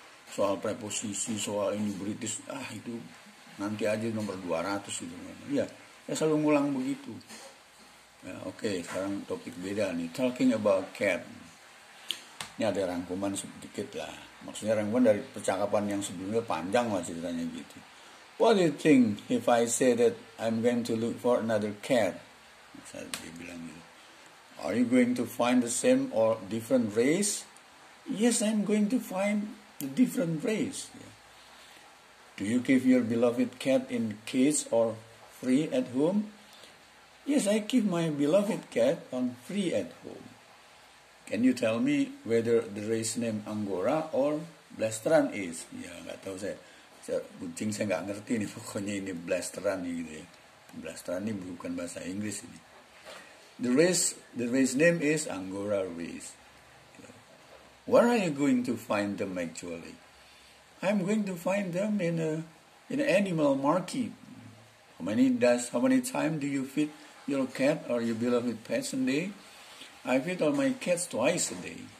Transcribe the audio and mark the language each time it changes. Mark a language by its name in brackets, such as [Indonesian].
[Indonesian] Soal preposisi, soal ini British, ah itu nanti aja nomor 200 gitu. Ya, saya selalu ngulang begitu. Ya, oke, sekarang topik beda nih, [English] talking about cat. [Indonesian] Ini ada rangkuman sedikit lah, maksudnya rangkuman dari percakapan yang sebelumnya panjang lah ceritanya gitu. [English] What do you think if I say that I'm going to look for another cat? [Indonesian] Dia bilang gitu. [English] Are you going to find the same or different race? Yes, I'm going to find the different race. Yeah. Do you keep your beloved cat in cage or free at home? Yes, I keep my beloved cat on free at home. Can you tell me whether the race name Angora or Blastran is? Ya, yeah, [Indonesian] gak tahu saya. Kucing saya nggak ngerti nih, pokoknya ini blasteran nih gitu ya. Blasteran ini bukan bahasa Inggris ini. [English] The race name is Angora race. Where are you going to find them actually? I'm going to find them in an animal market. How many time do you feed your cat or your beloved pets a day? I feed all my cats twice a day.